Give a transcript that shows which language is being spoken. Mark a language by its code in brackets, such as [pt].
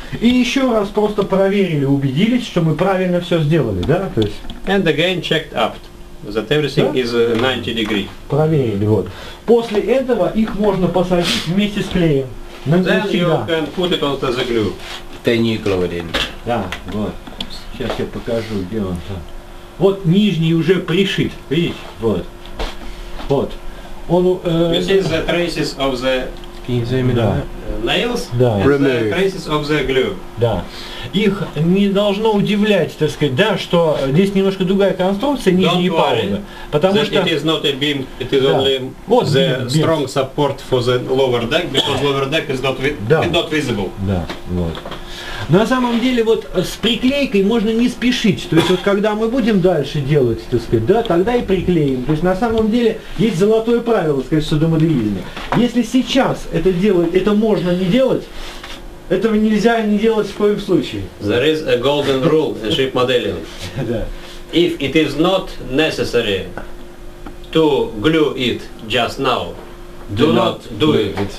[ru] И еще раз просто проверили, убедились, что мы правильно все сделали, да? То есть. [en] And again checked up. That everything [ru] да? [en] Is 90 degree. [ru] Проверили, вот. После этого их можно посадить вместе с клеем. [en] Then you can put it onto the glue. Then you glue it in. [ru] Да, вот. Сейчас я покажу, где он там. Вот нижний уже пришит. Видите? Вот. Вот. Он, [en] you see the traces of the [ru] да. [en] Nails? [ru] Да. [en] The traces of the glue. [ru] Да. Их не должно удивлять, так сказать, да, что здесь немножко другая конструкция, нижние палубы. Потому что [en] it is not a beam, it is [ru] да. [en] Only [ru] вот [en] the beam. Strong support for the lower deck, because lower deck is not, да. Not visible. [ru] Да. Вот. На самом деле вот с приклейкой можно не спешить. То есть вот когда мы будем дальше делать, так сказать, да, тогда и приклеим. То есть на самом деле есть золотое правило, сказать, в судомоделизме. Если сейчас это делать, это можно не делать, этого нельзя не делать в коем случае. [en] There is a golden rule in ship modeling. If it is not necessary to glue it just now, do not do it.